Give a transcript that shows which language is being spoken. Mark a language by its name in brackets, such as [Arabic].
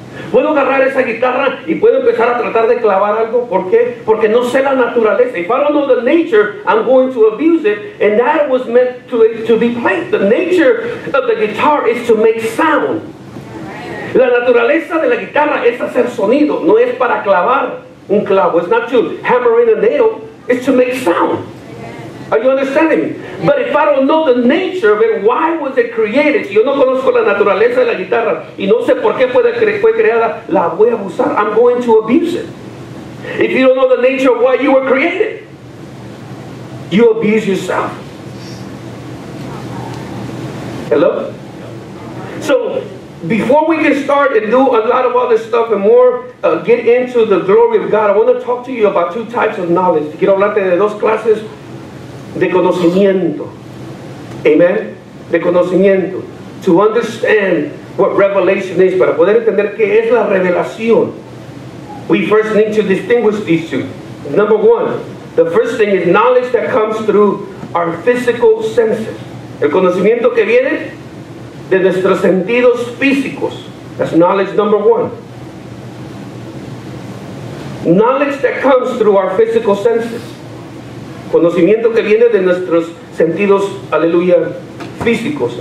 [Spanish] Puedo agarrar esa guitarra y puedo empezar a tratar de clavar algo. ¿Por qué? Porque no sé la naturaleza. [English] If I don't know the nature, I'm going to abuse it. And that was meant to be played. The nature of the guitar is to make sound. [Spanish] La naturaleza de la guitarra es hacer sonido, no es para clavar. Un clavo. [English] It's not to hammer in a nail. It's to make sound. Are you understanding me? But if I don't know the nature of it, why was it created? [Spanish] Si yo no conozco la naturaleza de la guitarra y no sé por qué fue creada, la voy a abusar. [English] I'm going to abuse it. If you don't know the nature of why you were created, you abuse yourself. Hello? So, before we can start and do a lot of other stuff and more, get into the glory of God, I want to talk to you about two types of knowledge. [Spanish] Quiero hablarte de dos clases de conocimiento. Amen? De conocimiento. [English] To understand what revelation is, [Spanish] para poder entender qué es la revelación. [English] We first need to distinguish these two. Number one, the first thing is knowledge that comes through our physical senses. [Spanish] El conocimiento que viene de nuestros sentidos físicos. [English] That's knowledge number one. Knowledge that comes through our physical senses. [Spanish] Conocimiento que viene de nuestros sentidos, aleluya, físicos.